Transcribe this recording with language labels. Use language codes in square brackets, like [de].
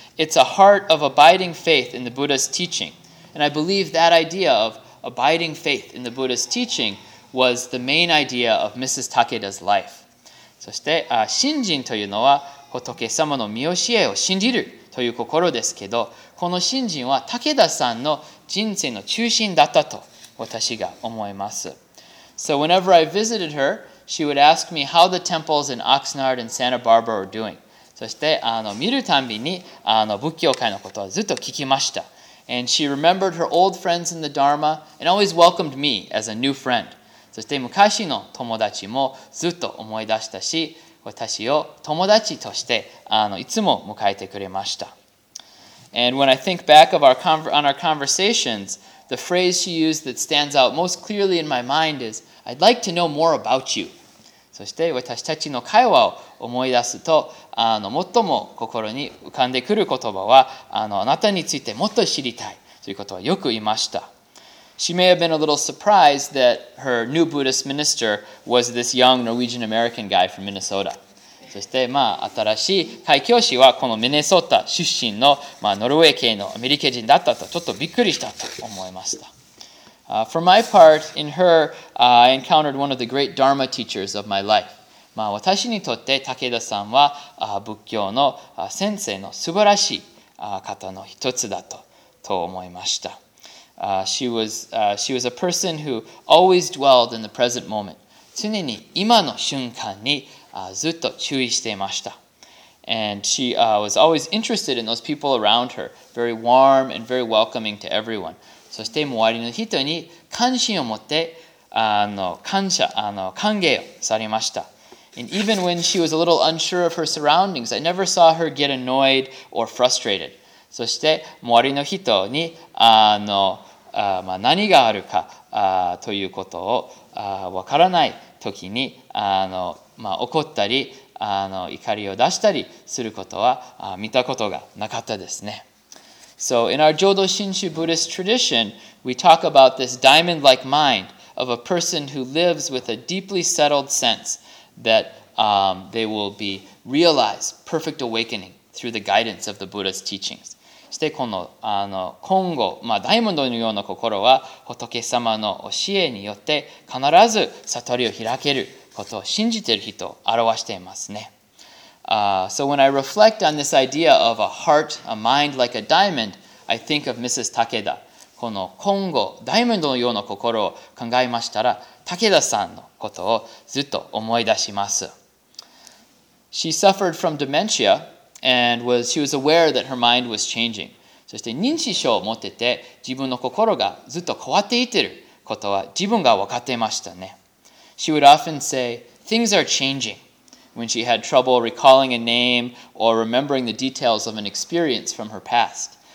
[en] It's a heart of abiding faith in the Buddha's teaching. And I believe that idea of abiding faith in the Buddha's teaching was the main idea of Mrs. Takeda's life. [ja] そして、信心というのは仏様の御教えを信じるという心ですけど、この信心は武田さんの人生の中心だったと私が思います。 [en] So whenever I visited her, she would ask me how the temples in Oxnard and Santa Barbara are doing. [ja] そして、見るたびに仏教界のことをずっと聞きました。 [en] And she remembered her old friends in the Dharma and always welcomed me as a new friend. [ja] そして昔の友達もずっと思い出したし、私を友達としていつも迎えてくれました。 [en] And when I think back of our conversations, the phrase she used that stands out most clearly in my mind is, I'd like to know more about you. [ja] そして私たちの会話を思い出すと、最も心に浮かんでくる言葉は、あなたについてもっと知りたいということはよく言いました。 [en] She may have been a little surprised that her new Buddhist minister was this young Norwegian-American guy from Minnesota. [ja] そして、まあ、新しい開教師はこのミネソタ出身の、まあ、ノルウェー系のアメリカ人だったとちょっとびっくりしたと思いました。 [en] For my part, in her, I encountered one of the great Dharma teachers of my life. [ja] まあ、私にとって武田さんは仏教の先生の素晴らしい方の一つだと思いました。 [en] She was a person who always dwelled in the present moment. [ja] 常に今の瞬間にずっと注意していました。 [en] And she was always interested in those people around her, very warm and very welcoming to everyone. [ja] そして周りの人に関心を持って歓迎をされました。 [en] And even when she was a little unsure of her surroundings, I never saw her get annoyed or frustrated. [ja] そして周りの人にまあ、何があるかということをわからない時にまあ、怒ったり怒りを出したりすることは見たことがなかったですね。 [en] So in our Jodo Shinshu Buddhist tradition, we talk about this diamond-like mind of a person who lives with a deeply settled sense that they will be realized perfect awakening through the guidance of the Buddha's teachings. [ja] そしてこの金剛、まあ、ダイモンドのような心は仏様の教えによって必ず悟りを開けることを信じている人を表していますね。 [en] So when I reflect on this idea of a heart, a mind like a diamond, I think of Mrs. Takeda. [ja] この金剛、ダイモンドのような心を考えましたら、武田さんのことをずっと思い出します。 [en] She suffered from dementia. And was she was aware that her mind was changing. [ja] そして認知症を持ってて自分の心がずっと変わっていってることは自分が分かっていましたね。 [en] She would often say, things are changing. When she had trouble recalling a name or remembering the details of an experience from her past.